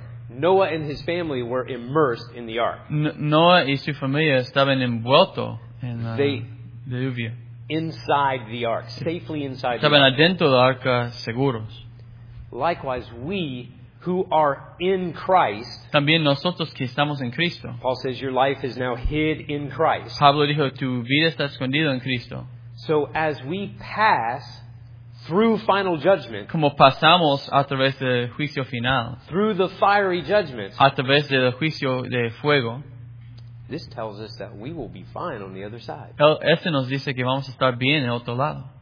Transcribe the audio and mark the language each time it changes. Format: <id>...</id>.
<en>Noah and his family were immersed in the ark.</en> <es>Noah y su familia estaban envueltos en la. Diluvia.</es> <en>Inside the ark, safely inside.</en> <es>Estaban</es> <en>the ark.</en> <es>Adentro del arca seguros.</es> <en>Likewise, we who are in Christ.</en> <es>También nosotros que estamos en Cristo.</es> <en>Paul says your life is now hid in Christ.</en> <es>Pablo dijo tu vida está escondida en Cristo.</es> <en>So as we pass through final judgment.</en> <es>Como pasamos a través del juicio final.</es> <en>Through the fiery judgment.</en> <es>A través del juicio de fuego.</es> <en>This tells us that we will be fine on the other side.</en> <es>Este nos dice que vamos a estar bien en otro lado.</es>